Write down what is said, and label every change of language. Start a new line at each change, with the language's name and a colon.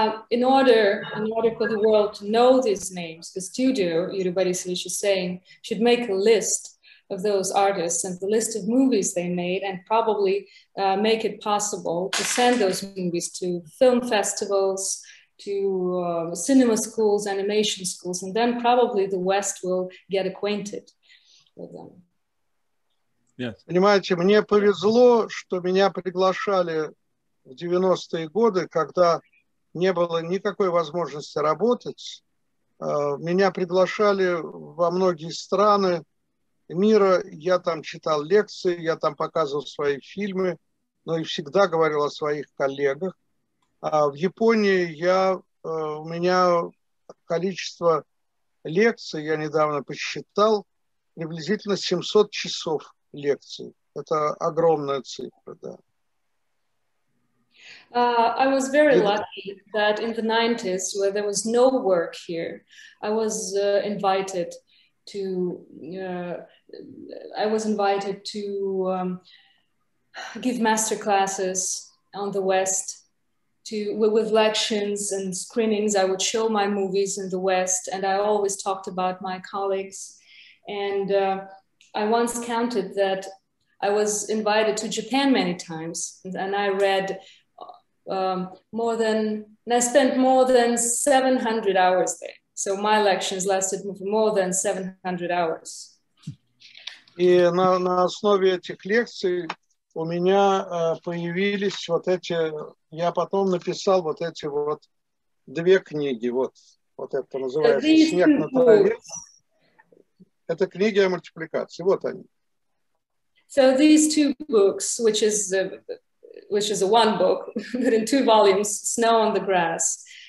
English: In order for the world to know these names, the studio, Yuri Borisovich is saying, should make a list of those artists and the list of movies they made and probably make it possible to send those movies to film festivals, to cinema schools, animation schools, and then probably the West will get acquainted with them. Yes.
Russian: Понимаете, мне повезло, что меня приглашали в 90-е годы, когда не было никакой возможности работать. Меня приглашали во многие страны мира. Я там читал лекции, я там показывал свои фильмы, но и всегда говорил о своих коллегах. А в Японии у меня количество лекций, я недавно посчитал, приблизительно 700 часов лекций. Это огромная цифра, да.
English: I was very lucky that in the 90s, where there was no work here, I was invited to give master classes on the West, with lectures and screenings. I would show my movies in the West, and I always talked about my colleagues. And I once counted that I was invited to Japan many times, and I read. I spent more than 700 hours there. So my lectures lasted more than 700 hours.
Russian: И на основе этих лекций у меня появились вот эти, я потом написал вот эти вот две книги, вот это называется «Снег на траве». Это книги о мультипликации, вот они.
English: So these two books, which is a one book, but in two volumes, Snow on the Grass.